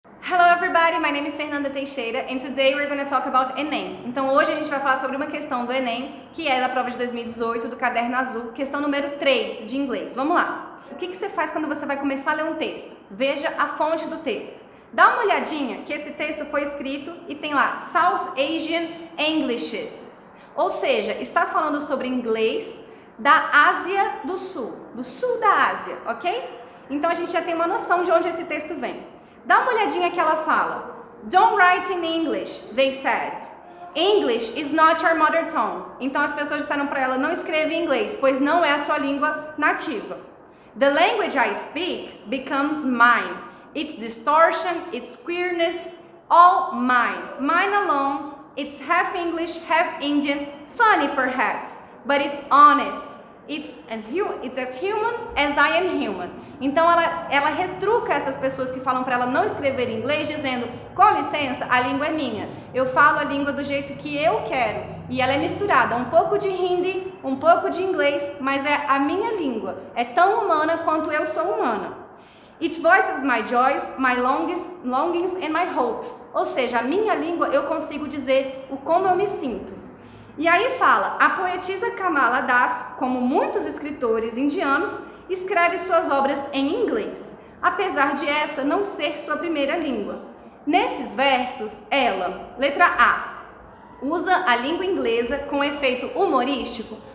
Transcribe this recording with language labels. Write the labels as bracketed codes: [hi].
[en] Hello everybody, my name is Fernanda Teixeira and today we're going to talk about Enem. [pt] Então hoje a gente vai falar sobre uma questão do Enem, que é da prova de 2018 do Caderno Azul, questão número 3 de inglês. Vamos lá. O que você faz quando você vai começar a ler um texto? Veja a fonte do texto. Dá uma olhadinha que esse texto foi escrito e tem lá South Asian Englishes. Ou seja, está falando sobre inglês da Ásia do Sul, do sul da Ásia, ok? Então a gente já tem uma noção de onde esse texto vem. Dá uma olhadinha que ela fala. [en] Don't write in English, they said. English is not your mother tongue. [pt] Então as pessoas disseram para ela, não escreva em inglês, pois não é a sua língua nativa. [en] The language I speak becomes mine. Its distortion, its queerness, all mine. Mine alone, it's half English, half Indian. Funny perhaps, but it's honest. It's as human as I am human. [pt] Então ela retruca essas pessoas que falam para ela não escrever em inglês, dizendo, com licença, a língua é minha. Eu falo a língua do jeito que eu quero. E ela é misturada, um pouco de hindi, um pouco de inglês, mas é a minha língua. É tão humana quanto eu sou humana. [en] It voices my joys, my longings and my hopes. [pt] Ou seja, a minha língua eu consigo dizer o como eu me sinto. E aí fala, a poetisa Kamala Das, como muitos escritores indianos, escreve suas obras em inglês, apesar de essa não ser sua primeira língua. Nesses versos, ela, letra A, usa a língua inglesa com efeito humorístico?